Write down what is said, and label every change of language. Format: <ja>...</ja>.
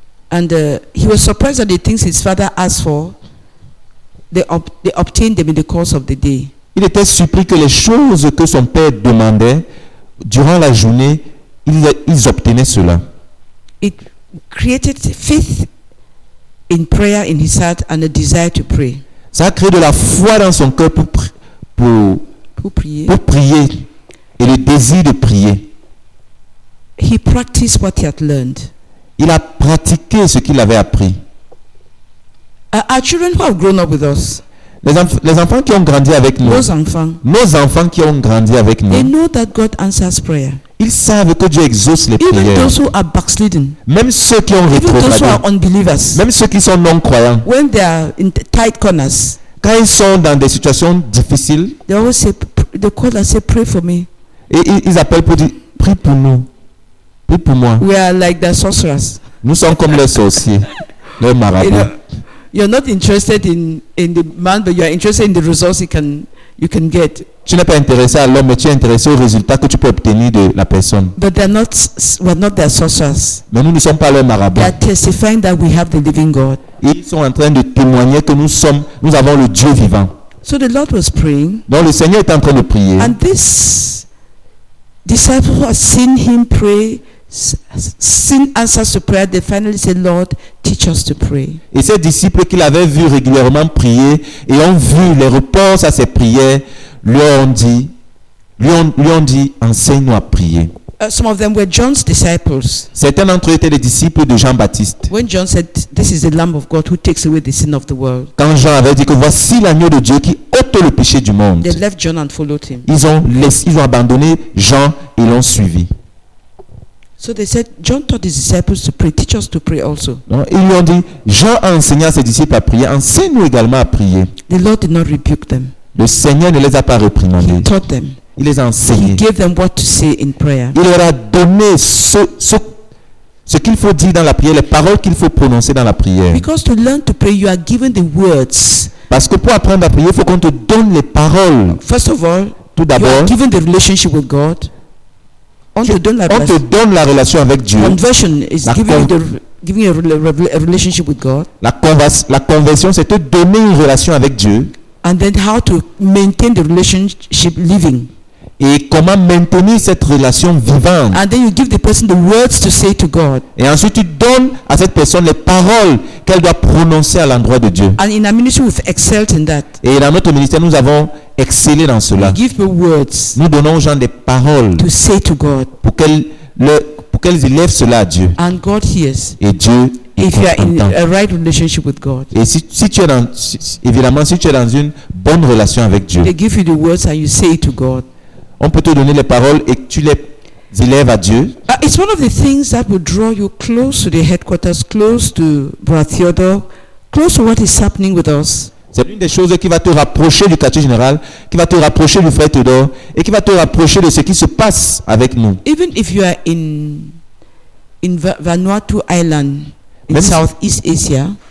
<en>And he was surprised at the things his father asked for. They obtained them in the course of the day.</en> <fr>Il était surpris que les choses que son père demandait durant la journée, ils obtenaient cela.</fr> <en>It created faith in prayer in his heart and a desire to pray.</en> <fr>Ça a créé de la foi dans son cœur pour prier et le désir de prier.</fr> <en>He practiced what he had learned.</en> <fr>Il a pratiqué ce qu'il avait appris.</fr> <en>Our children who have grown up with us,</en> <fr>les enfants qui ont grandi avec nous, nos enfants qui ont grandi avec nous,</fr> <en>they know that God answers prayer.</en> <fr>Ils savent que Dieu exauce les</fr> <en>even</en> <fr>prières.</fr> <en>Those who are backslidden,</en> <fr>même ceux qui ont rétrogradé, même ceux qui sont non-croyants,</fr> <en>when they are in tight corners,</en> <fr>quand ils sont dans des situations difficiles,</fr> <en>they always say, they call and say, pray for me.</en> <fr>Et ils appellent pour dire, prie pour nous, prie pour moi.</fr> <en>We are like the sorcerers.</en> <fr>Nous sommes comme les sorciers, les marabouts.</fr> <en>You know, you're not interested in the man, but you are interested in the results you can get.</en> <fr>Tu n'es pas intéressé à l'homme, mais tu es intéressé aux résultats que tu peux obtenir de la personne.</fr> <en>But they're not, we're not their sorcerers.</en> <fr>Mais nous ne sommes pas leurs marabouts.</fr> <en>They're testifying that we have the living God.</en> <fr>Ils sont en train de témoigner que nous avons le Dieu vivant.</fr> <en>So the Lord was praying.</en> <fr>Donc le Seigneur était en train de prier.</fr> <en>And this disciple has seen him pray, seen answers to prayer. They finally said, Lord, teach us to pray.</en> <fr>Et ces disciples qu'il avait vu régulièrement prier et ont vu les réponses à ses prières, lui ont dit, enseigne-nous à prier.</fr> <en>Some of them were John's disciples.</en> <fr>Certains d'entre eux étaient les disciples de Jean-Baptiste.</fr> <en>When John said, "This is the Lamb of God who takes away the sin of the world,"</en> <fr>quand Jean avait dit que voici l'agneau de Dieu qui ôte le péché du monde,</fr> <en>they left John and followed him.</en> <fr>Ils ont abandonné Jean et l'ont suivi.</fr> <en>So they said, "John taught his disciples to pray. Teach us to pray also."</en> <fr>Non, ils lui ont dit, Jean a enseigné à ses disciples à prier. Enseigne-nous également à prier.</fr> <en>The Lord did not rebuke them.</en> <fr>Le Seigneur ne les a pas réprimandés.</fr> <en>He taught them.</en> <fr>Il les a enseignés.</fr> <en>He gave them what to say in prayer.</en> <fr>Il leur a donné ce qu'il faut dire dans la prière, les paroles qu'il faut prononcer dans la prière.</fr> <en>Because to learn to pray, you are given the words.</en> <fr>Parce que pour apprendre à prier, il faut qu'on te donne les paroles.</fr> <en>First of all,</en> <fr>tout d'abord,</fr> <en>you are given the relationship with God.</en> <fr>On te donne la relation avec Dieu.</fr> <en>Conversion is giving you a relationship with God.</en> <fr>La conversion, c'est te donner une relation avec Dieu.</fr> <en>And then how to maintain the relationship living.</en> <fr>Et comment maintenir cette relation vivante.</fr> <en>And then you give the person the words to say to God.</en> <fr>Et ensuite tu donnes à cette personne les paroles qu'elle doit prononcer à l'endroit de Dieu.</fr> <en>And in our ministry we've excelled in that.</en> <fr>Et dans notre ministère nous avons excellé dans cela.</fr> <en>We give the words.</en> <fr>Nous donnons aux gens des paroles</fr> <en>to say to God.</en> <fr>Pour qu'elles le pour qu'elles élèvent cela à Dieu.</fr> <en>And God hears.</en> <fr>Et Dieu</fr> <en>if you are in a right relationship with God.</en> <fr>Et si tu es dans évidemment si tu es dans une bonne relation avec Dieu.</fr> <en>They give you the words and you say it to God.</en> <fr>On peut te donner les paroles et tu les élèves à Dieu.</fr> <en>It's one of the things that will draw you close to the headquarters, close to Brother Theodore, close to what is happening with us.</en> <fr>C'est l'une des choses qui va te rapprocher du quartier général, qui va te rapprocher du frère Tudor et qui va te rapprocher de ce qui se passe avec nous.</fr> <en>Even if you are in Vanuatu Island in Southeast Asia.</en>